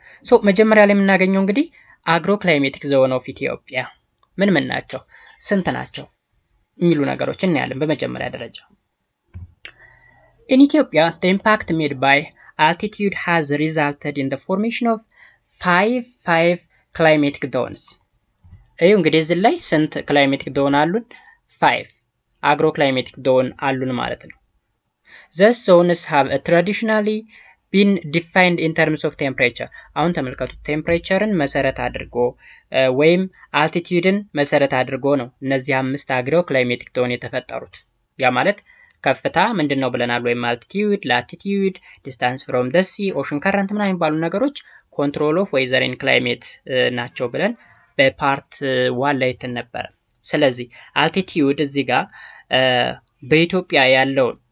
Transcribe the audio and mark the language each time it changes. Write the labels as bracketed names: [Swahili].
[Amharic] so መጀመሪያ ላይ የምናገኘው እንግዲህ [English] agroclimatic zone of ethiopia [Amharic] ምን ምን ናቸው ስንት ናቸው የሚሉ ነገሮች እና ያለን በመጀመሪያ ደረጃ [English] In Ethiopia, the impact made by altitude has resulted in the formation of five climatic zones. [Amharic] እዩ እንግዲህ እዚህ ላይ ስንት climatic zone አሉን? 5 agroclimatic zone አሉን ማለት ነው. [English] These zones have traditionally been defined in terms of temperature. [Amharic] አሁን ተመልከቱ temperature-ን መሰረት አድርጎ ወይም altitude-ን መሰረት አድርጎ ነው እነዚህ አምስት agroclimatic zone የተፈጠሩት. ያ ማለት ከፍታ ምንድነው ብለናል ወይ [English] altitude latitude distance from the sea ocean current [Amharic] ምን አይባሉ ነገሮች [English] control of weather and climate [Amharic] ናቸው ብለን በpart 1 ላይ ተነበረ ስለዚህ altitude እዚህ ጋር በኢትዮጵያ ያለው